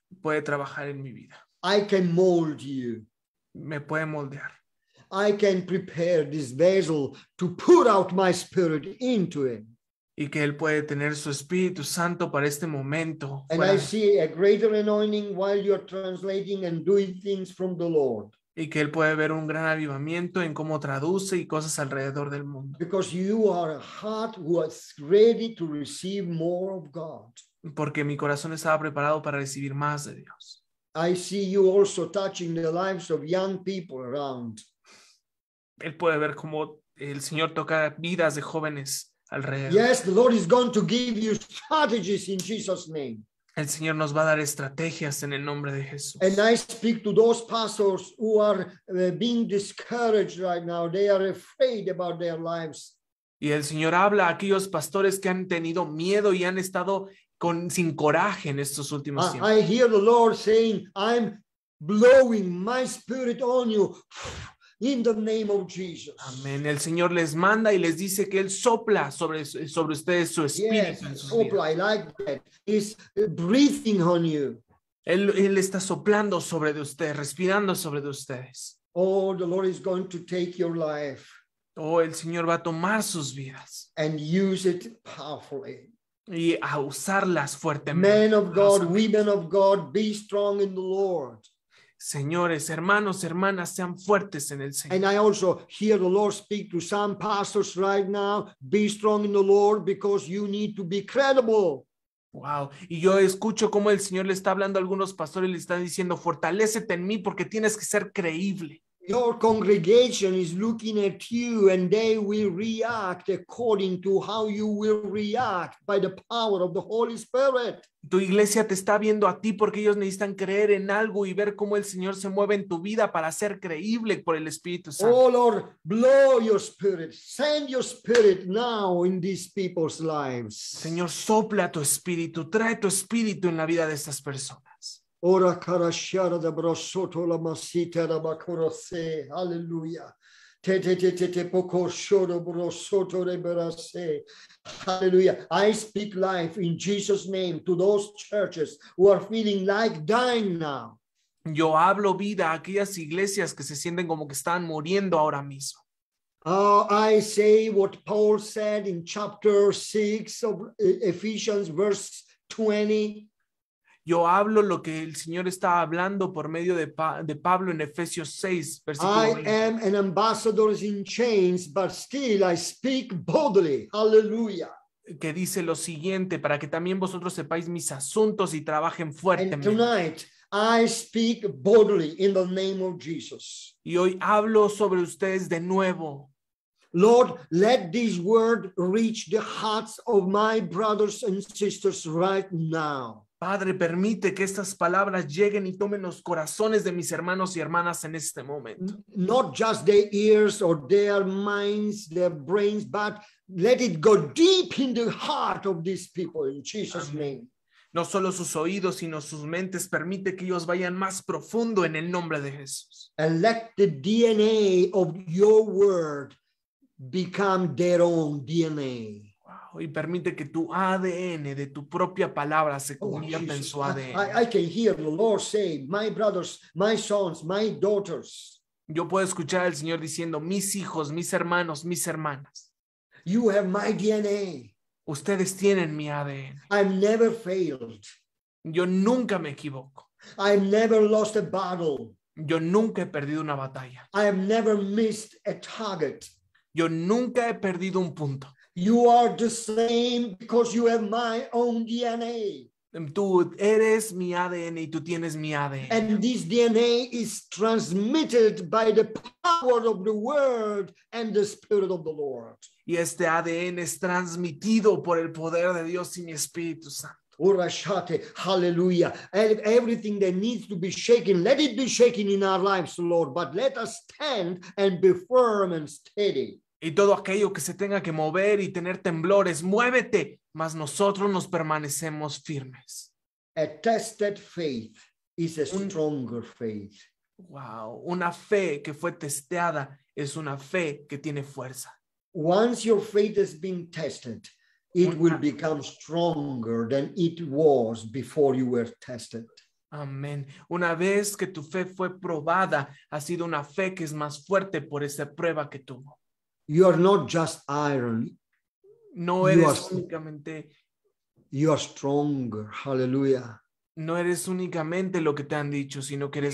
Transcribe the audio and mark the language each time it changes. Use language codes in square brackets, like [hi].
[es] Puede trabajar en mi vida. [en] I can mold you. [es] Me puede moldear. [en] I can prepare this vessel to put out my spirit into it. [es] Y que él puede tener su Espíritu Santo para este momento. [en] And I see a greater anointing while you're translating and doing things from the Lord. [es] Y que él puede ver un gran avivamiento en cómo traduce y cosas alrededor del mundo. [en] Because you are a heart who is ready to receive more of God. [es] Porque mi corazón estaba preparado para recibir más de Dios. [en] I see you also touching the lives of young people around. [es] Él puede ver cómo el Señor toca vidas de jóvenes. [en] Yes, the Lord is going to give you strategies in Jesus' name. [es] El Señor nos va a dar estrategias en el nombre de Jesús. [en] And I speak to those pastors who are being discouraged right now. They are afraid about their lives. [es] Y el Señor habla a aquellos pastores que han tenido miedo y han estado sin coraje en estos últimos tiempos. [en] I hear the Lord saying, I'm blowing my spirit on you. In the name of Jesus. [es] Amén. El Señor les manda y les dice que él sopla sobre ustedes su espíritu. [en] Yes, sopla. I like that. He's breathing on you. [es] Él está soplando sobre de ustedes, respirando sobre de ustedes. [en] Oh, the Lord is going to take your life. [es] Oh, el Señor va a tomar sus vidas. [en] And use it powerfully. [es] Y a usarlas fuertemente. [en] Men of God, women of God, be strong in the Lord. [es] Señores, hermanos, hermanas, sean fuertes en el Señor. [en] And I also hear the Lord speak to some pastors right now. Be strong in the Lord because you need to be credible. Wow. [es] Y yo escucho cómo el Señor le está hablando a algunos pastores y le están diciendo, fortalécete en mí porque tienes que ser creíble. [en] Your congregation is looking at you and they will react according to how you will react by the power of the Holy Spirit. [es] Tu iglesia te está viendo a ti porque ellos necesitan creer en algo y ver cómo el Señor se mueve en tu vida para ser creíble por el Espíritu Santo. [en] Oh Lord, blow your spirit. Send your spirit now in these people's lives. [es] Señor, sopla tu espíritu. Trae tu espíritu en la vida de estas personas. Ora carashara da brosoto la masita da bakorose, hallelujah. Te pokoshoro brosoto de brase, hallelujah. [en] I speak life in Jesus' name to those churches who are feeling like dying now. [es] Yo hablo vida a aquellas iglesias que se sienten como que están muriendo ahora mismo. [en] Oh, I say what Paul said in chapter 6 of Ephesians, verse 20. [es] Yo hablo lo que el Señor está hablando por medio de Pablo en Efesios 6, versículo 20. [en] I am an ambassador in chains, but still I speak boldly. Hallelujah. [es] Que dice lo siguiente, para que también vosotros sepáis mis asuntos y trabajen fuertemente. [en] And tonight, I speak boldly in the name of Jesus. [es] Y hoy hablo sobre ustedes de nuevo. [en] Lord, let this word reach the hearts of my brothers and sisters right now. [es] Padre, permite que estas palabras lleguen y tomen los corazones de mis hermanos y hermanas en este momento. [en] Not just their ears or their minds, their brains, but let it go deep in the heart of these people, in Jesus' name. [es] No solo sus oídos, sino sus mentes. Permite que ellos vayan más profundo en el nombre de Jesús. [en] And let the DNA of your word become their own DNA. [es] Y permite que tu ADN de tu propia palabra se convierta en su ADN. [en] I can hear the Lord say, my brothers, my sons, my daughters. [es] Yo puedo escuchar al Señor diciendo, mis hijos, mis hermanos, mis hermanas. [en] You have my DNA. [es] Ustedes tienen mi ADN. [en] I've never failed. [es] Yo nunca me equivoco. [en] I've never lost a battle. [es] Yo nunca he perdido una batalla. [en] I have never missed a target. [es] Yo nunca he perdido un punto. [en] You are the same because you have my own DNA. [es] Tú eres mi ADN y tú tienes mi ADN. [en] And this DNA is transmitted by the power of the word and the spirit of the Lord. [es] Y este ADN es transmitido por el poder de Dios y mi Espíritu Santo. Urashate, hallelujah. [en] Everything that needs to be shaken, let it be shaken in our lives, Lord. But let us stand and be firm and steady. [es] Y todo aquello que se tenga que mover y tener temblores, muévete, mas nosotros nos permanecemos firmes. [en] A tested faith is a stronger faith. [es] Wow, una fe que fue testeada es una fe que tiene fuerza. [en] Once your faith has been tested, it will become stronger than it was before you were tested. [es] Amén. Una vez que tu fe fue probada, ha sido una fe que es más fuerte por esa prueba que tuvo. [en] You are not just iron. [es] No eres únicamente. [en] You are stronger. Hallelujah. [es] No eres únicamente lo que te han dicho, sino que eres